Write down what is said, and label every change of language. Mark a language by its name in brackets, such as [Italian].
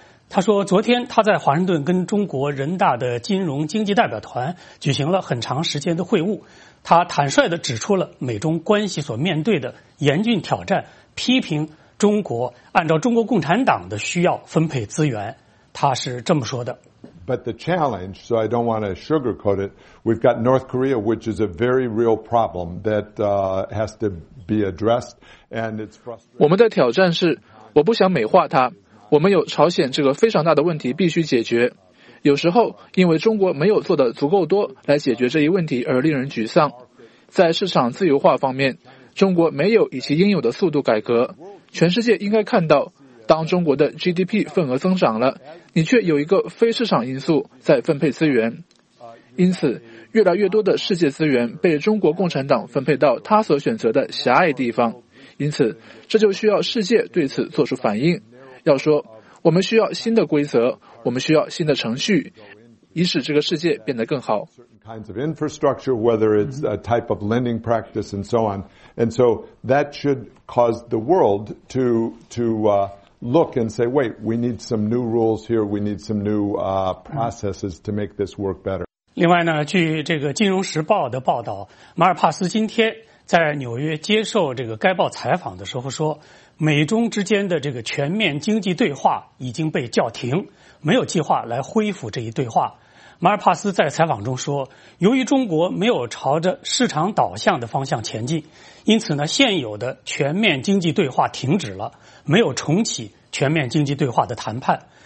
[Chinese] 他说昨天他在华盛顿跟中国人大的金融经济代表团举行了很长时间的会晤，他坦率地指出了美中关系所面对的严峻挑战，批评中国按照中国共产党的需要分配资源，他是这么说的。 [English] But the challenge, so I don't want to sugarcoat it, we've got North Korea, which is a very real problem that has to be addressed, and it's frustrating. [Chinese] 我们的挑战是，我不想美化它。我们有朝鲜这个非常大的问题必须解决。有时候，因为中国没有做得足够多来解决这一问题而令人沮丧。在市场自由化方面，中国没有以其应有的速度改革。全世界应该看到，当中国的 GDP 份额增长了，你却有一个非市场因素在分配资源。因此，越来越多的世界资源被中国共产党分配到他所选择的狭隘地方。因此，这就需要世界对此做出反应。要说，我们需要新的规则，我们需要新的程序，以使这个世界变得更好。 [English] Kinds of infrastructure, whether it's a type of lending practice and so on. And so that should cause the world to look and say, wait, we need some new rules here, we need some new processes to make this work better. [Chinese] 另外呢，据这个《金融时报》的报道，马尔帕斯今天在纽约接受这个该报采访的时候说，美中之间的这个全面经济对话已经被叫停，没有计划来恢复这一对话。马尔帕斯在采访中说，由于中国没有朝着市场导向的方向前进，因此呢，现有的全面经济对话停止了，没有重启全面经济对话的谈判。